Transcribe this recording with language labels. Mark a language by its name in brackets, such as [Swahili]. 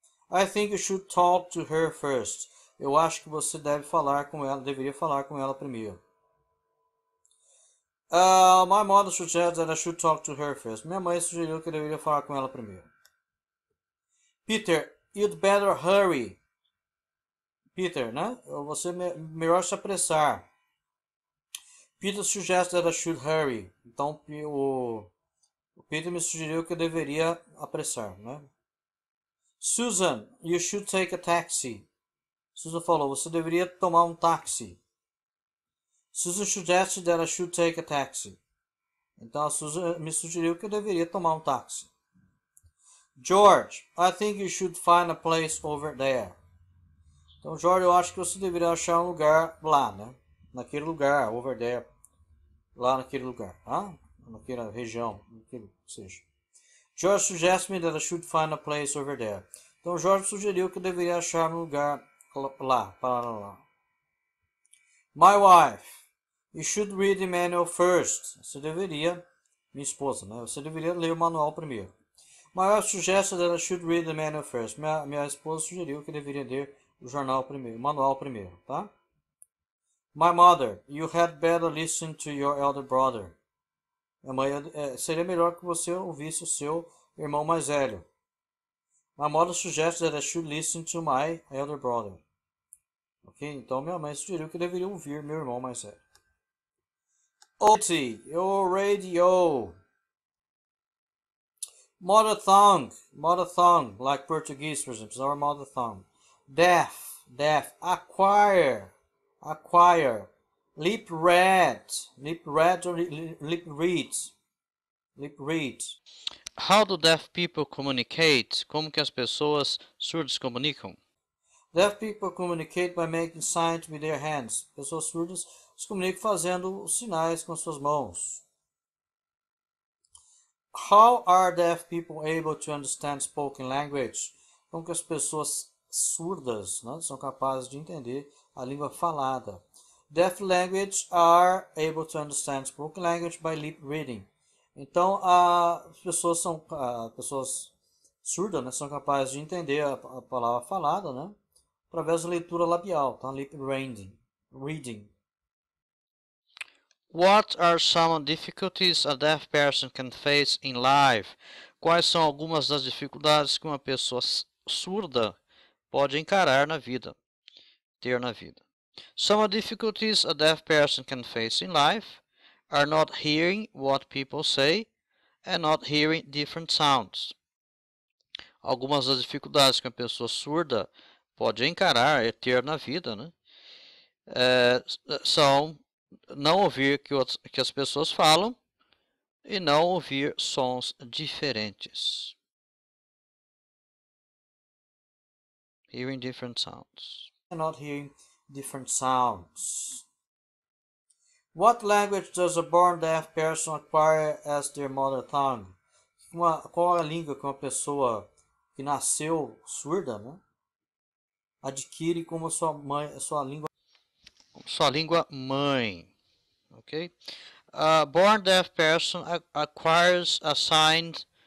[English] I think you should talk to her first. [Portuguese] Eu acho que você deveria falar com ela primeiro. [English] My mother suggests that I should talk to her first. [Portuguese] Minha mãe sugeriu que eu deveria falar com ela primeiro. [English] Peter, you'd better hurry. Peter, [Portuguese] né? Você melhor se apressar. [English] Peter suggests that I should hurry. [Portuguese] Então, o Peter me sugeriu que eu deveria apressar, né? Susan, [English] you should take a taxi. [Portuguese] Susan falou, você deveria tomar um táxi. [English] Susan suggested that I should take a taxi. [Portuguese] Então, a Susan me sugeriu que eu deveria tomar um táxi. [English] George, I think you should find a place over there. [Portuguese] Então, George, eu acho que você deveria achar um lugar lá, né? Naquele lugar, [English] over there. [Portuguese] Lá naquele lugar, tá? Naquela região, naquele que seja. [English] George suggested me that I should find a place over there. [Portuguese] Então, George sugeriu que eu deveria achar um lugar lá, para lá. [English] My wife, you should read the manual first. [Portuguese] Você deveria, minha esposa, né? Você deveria ler o manual primeiro. [English] My wife suggested that I should read the manual first. [Portuguese] Minha esposa sugeriu que deveria ler o jornal primeiro, o manual primeiro, tá? [English] My mother, you had better listen to your elder brother. [Portuguese] Minha mãe, seria melhor que você ouvisse o seu irmão mais velho. [English] My mother suggests that I should listen to my elder brother. Ok? [Portuguese] Então, minha mãe sugeriu que eu deveria ouvir meu irmão mais velho. [English] Auntie, your radio. Mother tongue. Mother tongue, like Portuguese, for example. Our mother tongue. Deaf. Deaf. Acquire. Acquire. Lip read. Lip read or lip read. Lip read. How do deaf people communicate? [Portuguese] Como que as pessoas surdas comunicam? [English] Deaf people communicate by making signs with their hands. [Portuguese] Pessoas surdas se comunicam fazendo sinais com suas mãos. [English] How are deaf people able to understand spoken language? [Portuguese] Como que as pessoas surdas, né, são capazes de entender a língua falada? [English] Deaf language are able to understand spoken language by lip reading. [Portuguese] Então, as pessoas são pessoas surdas, né, são capazes de entender a palavra falada, né? Através da leitura labial, tá? [English] Lip reading. What are some difficulties a deaf person can face in life? [Portuguese] Quais são algumas das dificuldades que uma pessoa surda pode encarar na vida? Ter na vida. [English] Some difficulties a deaf person can face in life are not hearing what people say and not hearing different sounds. [Portuguese] Algumas das dificuldades que uma pessoa surda pode encarar, é ter na vida, né? São não ouvir que as pessoas falam e não ouvir sons diferentes. [English] Hearing different sounds. Not hearing different sounds. What language does a born deaf person acquire as their mother tongue? [Portuguese] Qual a língua que uma pessoa que nasceu surda, né? Adquire como sua mãe, sua língua. Sua língua mãe. [English] Ok? A born deaf person acquires a signed